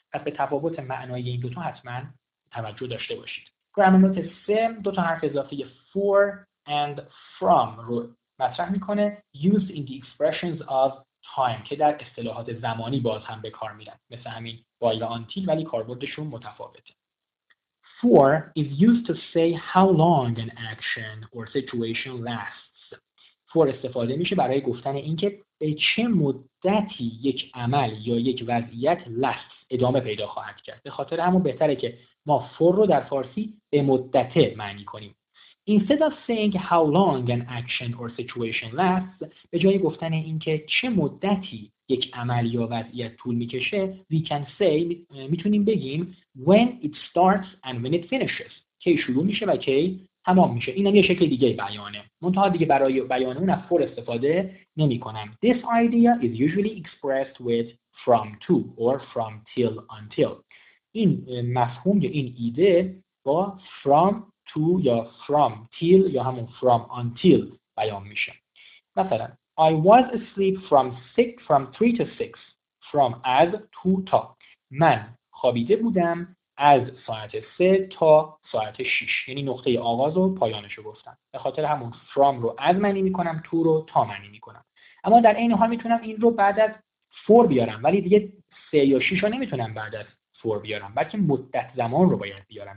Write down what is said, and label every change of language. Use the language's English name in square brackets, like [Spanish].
[Persian] پس به تفاوت معنای این دوتا حتما توجه داشته باشید. گرامر نوت 3 دوتا حرف اضافه for and from رو مطرح میکنه. [English] used in the expressions of time، [Persian] که در اصطلاحات زمانی باز هم به کار میرن، مثل همین by و until، ولی کاربردشون متفاوته. [English] For is used to say how long an action or situation lasts. [Persian] For استفاده میشه برای گفتن اینکه به چه مدتی یک عمل یا یک وضعیت lasts، ادامه پیدا خواهد کرد. به خاطر همون بهتره که ما for رو در فارسی به مدته معنی کنیم. [English] Instead of saying how long an action or situation lasts، [Persian] به جای گفتن اینکه چه مدتی یک عمل یا وضعیت طول میکشه، [English] we can say، [Persian] میتونیم بگیم [English] when it starts and when it finishes، [Persian] کی شروع میشه و کی تمام میشه. اینم یه شکل دیگه بیانه، منتها دیگه برای بیان اون از for استفاده نمی کنم. [English] This idea is usually expressed with from to or from till until. [Persian] این مفهوم یا این ایده با from to یا from till یا همون from until بیان میشه. [English] مثلا I was asleep from 3 to 6. [Persian] From از to تا. من خوابیده بودم از ساعت 3 تا ساعت 6. یعنی نقطه آغاز و پایانش رو گفتم. به خاطر همون from رو از معنی میکنم، to رو تا معنی میکنم. اما در این حال میتونم این رو بعد از 4 بیارم، ولی دیگه 3 یا 6 رو نمیتونم بعد از 4 بیارم، بلکه مدت زمان رو باید بیارم.